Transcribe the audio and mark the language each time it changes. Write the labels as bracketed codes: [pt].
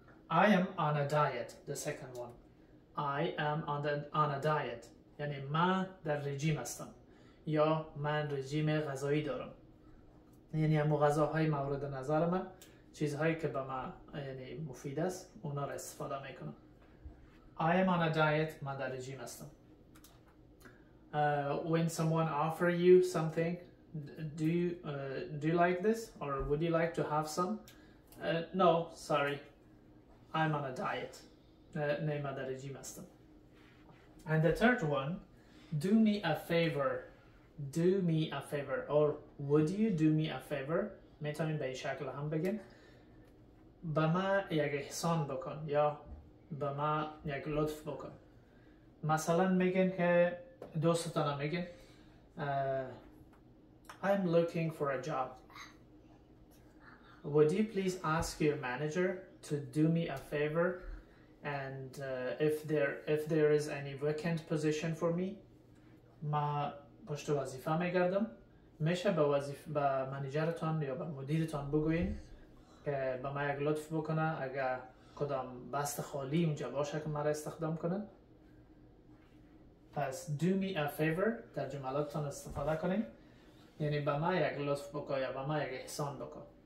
[en] I am on a diet, the second one. I am on a diet. [fa] یعنی من در رژیم هستم یا من رژیم غذایی دارم، یعنی همو غذاهای مورد نظر من، چیزهایی که به من یعنی مفید است اونا را استفاده میکنم. [en] I am on a diet. [fa] من در رژیم هستم. [en] When someone offer you something, do you like this or would you like to have some? No, sorry, I'm on a diet. [fa] نه من در رژیم هستم. [en] And the third one, do me a favor. Do me a favor, or would you do me a favor? [fa] میتونیم به این شکل هم بگیم. به ما یک احسان بکن یا به ما یک لطف بکن. مثلا میگیم که دوستتانا میگیم [en] I'm looking for a job. Would you please ask your manager to do me a favor and if there is any vacant position for me? [fa] ما پشت وظیفه میگردم. میشه به منیجرتان یا به مدیرتان بگوین که به من یک لطف بکنه اگر کدام بست خالی اونجا باشه که من را استخدام کنن. پس [en] do me a favor [fa] در جملاتتان استفاده کنیم، یعنی به من یک لطف بکن یا به من یک احسان بکن.